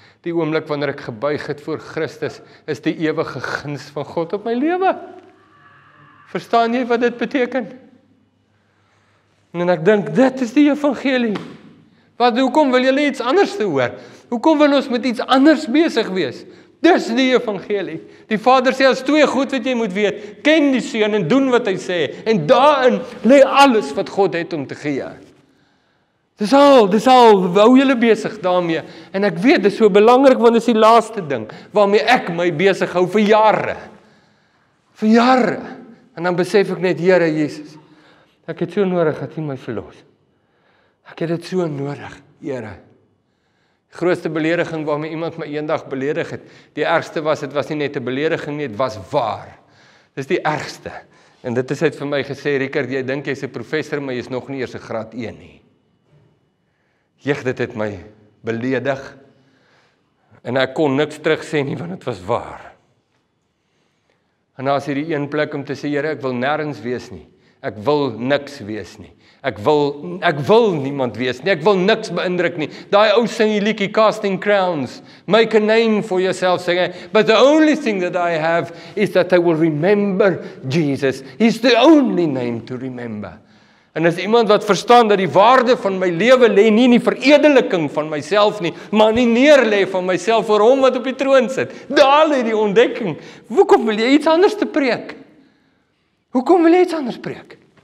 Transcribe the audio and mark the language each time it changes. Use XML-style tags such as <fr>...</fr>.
<af>Die oomblik wanneer ek gebuig het voor Christus is die ewige guns van God op my lewe. Verstaan jy wat dit beteken? En ek dink, dit is die evangelie. Wat, hoekom wil jy iets anders te hoor? Hoekom wil ons met iets anders bezig wees? Dis die evangelie. Die Vader sê, as twee goed wat jy moet weet, ken die Seun en doen wat hy sê. En daarin lê alles wat God het om te gee. Dis al, hou jylle bezig daarmee. En ek weet, dis so belangrik, want dis die laaste ding, waarmee ek my bezig hou vir jare. Vir jare. En dan besef ek net, Here Jesus, ek het so nodig dat U my verlos. Ek het dit so nodig, Here. Die grootste belediging waarmee iemand my eendag beledig het, die ergste was, het was nie net 'n belediging nie, het was waar. Dis die ergste. En dit is uit vir my gesê, Rikard, jy dink jy is 'n professor, maar jy is nog nie eers 'n graad 1 nie. Jeeg, dit het my beledig. En ek kon niks terugsê nie, want het was waar. En as hierdie een plek om te sê, Here, ek wil nêrens wees nie. Ek wil niks wees nie. Ek wil niemand wees nie. Ek wil niks beïndruk nie. Daai ou sing die liedjie Casting Crowns.</af> <en>Make a name for yourself, sing it. But the only thing that I have is that I will remember Jesus. He's the only name to remember.</en> <af>En as iemand wat verstaan dat die waarde van my lewe lê nie in die veredeliking van myself nie, maar in die neerlê van myself vir hom wat op die troon sit, daar lê die ontdekking. Hoekom wil jy iets anders te preek? Hoekom wil jy iets anders preek?</af>